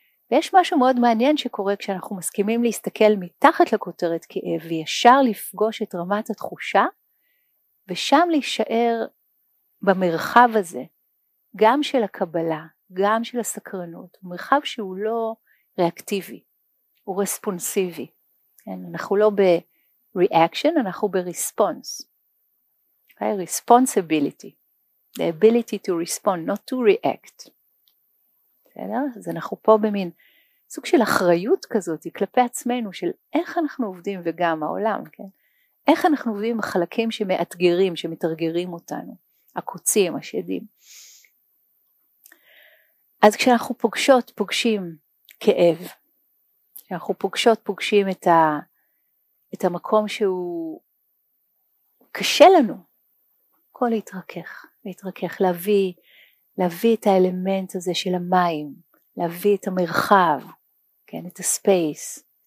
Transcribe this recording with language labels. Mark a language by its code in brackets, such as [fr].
[he] ויש משהו מאוד מעניין שקורה כשאנחנו מסכימים להסתכל מתחת לכותרת כאב, וישר לפגוש את רמת התחושה, ושם להישאר במרחב הזה, גם של הקבלה, גם של הסקרנות, מרחב שהוא לא ריאקטיבי. הוא רספונסיבי. אנחנו לא ב-reaction, אנחנו ב-response. [en] Okay? Responsibility. The ability to respond, not to react. [he] בסדר? אז אנחנו פה במין סוג של אחריות כזאת, כלפי עצמנו, של איך אנחנו עובדים וגם העולם, כן? איך אנחנו עובדים עם החלקים שמאתגרים, שמתרגרים אותנו, הקוצים, השדים. אז כשאנחנו פוגשים כאב, אנחנו פוגשים את המקום שהוא קשה לנו, כל להתרכך, להביא את האלמנט הזה של המים, להביא את המרחב, כן, את הספייס.